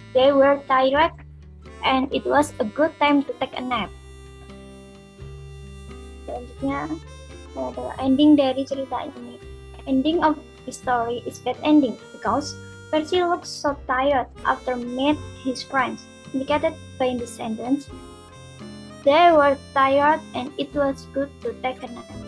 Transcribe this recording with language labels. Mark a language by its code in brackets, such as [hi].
[en] They were tired and it was a good time to take a nap. [id] Selanjutnya ada ending dari cerita ini. [en] Ending of the story is bad ending because Percy looks so tired after meet his friends, indicated by the sentence. They were tired and it was good to take a nap.